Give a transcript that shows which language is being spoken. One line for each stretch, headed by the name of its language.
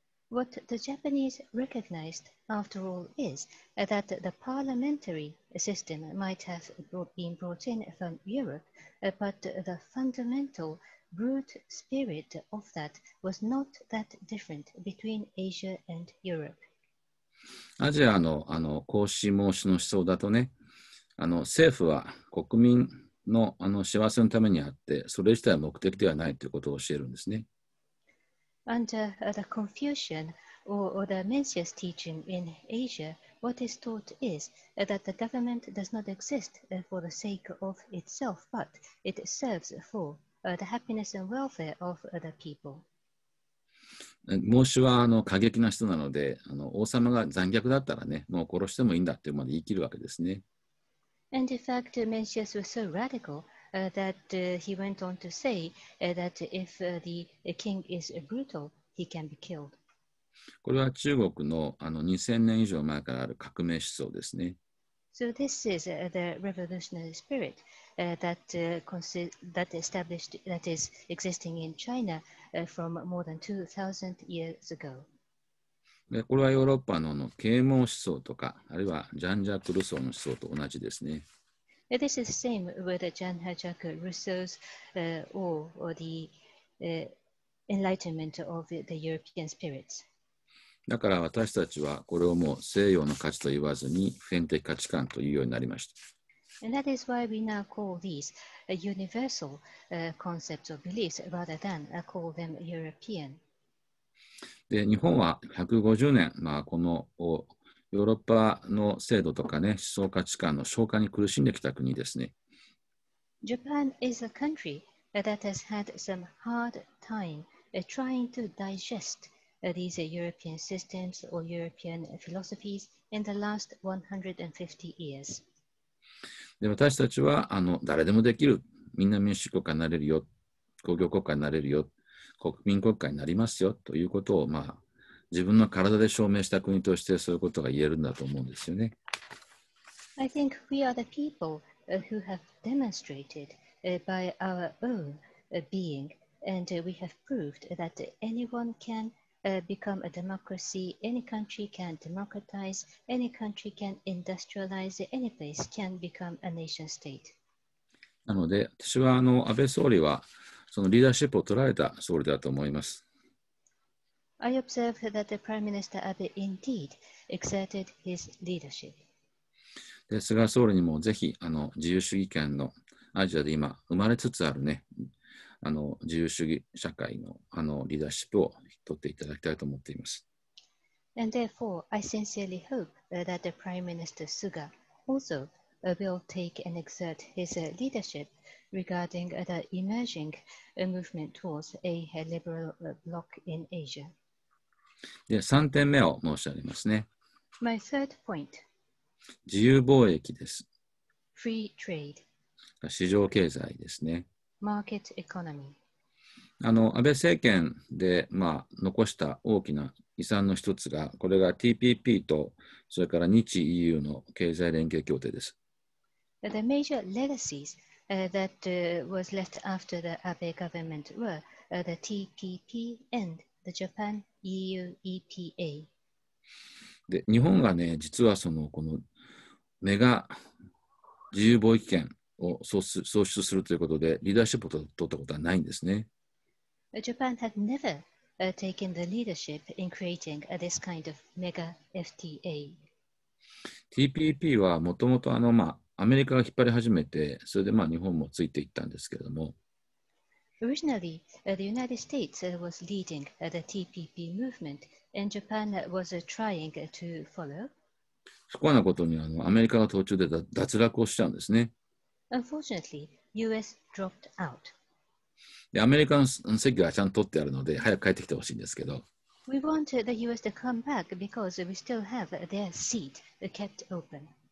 English: What the Japanese recognized, after all, is that the parliamentary system might have been brought in from Europe, but the fundamental brute spirit of that was not that different between Asia and Europe.
Japanese: アジアの孔子孟子の思想だとね、政府は国民の幸せのためにあって、それ自体は目的ではないということを教えるんですね。
English: Under the Confucian or the Mencius teaching in Asia, what is taught is that the government does not exist for the sake of itself, but it serves for the happiness and welfare of the people.
Japanese: 孟子は過激な人なので、王様が残虐だったらね、もう殺してもいいんだってまで言い切るわけですね。
English: And in fact, Mencius was so radical that he went on to say that if the king is brutal, he can be killed.
Japanese: これは中国の2000年以上前からある革命思想ですね。
English: So this is the revolutionary spirit that is existing in China from more than 2,000 years ago.
Japanese: でこれはヨーロッパの啓蒙思想とか、あるいはジャン・ジャック・ルソーの思想と同じですね。
English: This is the same with Jean-Jacques Rousseau's or the enlightenment of the European spirits.
Japanese: だから私たちはこれをもう西洋の価値と言わずに普遍的価値観というようになりました。
English: And that is why we now call these universal concepts or beliefs rather than call them European.
Japanese: で、日本は150年、このヨーロッパの制度とかね、思想価値観の消化に苦しんできた国ですね。
English: Japan is a country that has had some hard time trying to digest these European systems or European philosophies in the last 150 years.
Japanese: で、私たちは誰でもできる、みんな民主国家になれるよ、工業国家になれるよ、国民国家になりますよということを自分の体で証明した国としてそういうことが言えるんだと思うんですよね。
English: I think we are the people who have demonstrated by our own being and we have proved that anyone can become a democracy, any country can democratize, any country can industrialize, any place can become a nation state.
Japanese: なので私は安倍総理はそのリーダーシップを取られた総理だと思います。
English: I observe that the Prime Minister Abe indeed exerted his leadership.
Japanese: 菅総理にもぜひ自由主義圏のアジアで今生まれつつあるね、自由主義社会のリーダーシップを取っていただきたいと思っています。
English: And therefore, I sincerely hope that the Prime Minister Suga also will take and exert his leadership regarding the emerging movement towards a liberal bloc in Asia.
Japanese: で3点目を申し上げますね。
English: My third point.
Japanese: 自由貿易です。
English: Free trade.
Japanese: 市場経済ですね。
English: Market economy.
Japanese: 安倍政権で、残した大きな遺産の一つが、これが TPP とそれから日 EU の経済連携協定です。
English: The major legacies that was left after the Abe government were the TPP and the Japan. EU EPA
Japanese: で日本がね、実はこのメガ自由貿易圏を創出するということでリーダーシップを取ったことはないんですね。
English: Japan had never taken the leadership in creating this kind of mega FTA.
Japanese: TPP はもともとアメリカが引っ張り始めて、それで日本もついていったんですけれども。
English: Originally, the United States was leading the TPP movement, and Japan was trying to follow.
Japanese: 不幸なことにアメリカが途中で脱落をしちゃうんですね。
English: Unfortunately, US dropped out.
Japanese: で、アメリカの席がちゃんと取ってあるので、早く帰ってきてほしいんですけど。
English: We want the US to come back because we still have their seat kept open.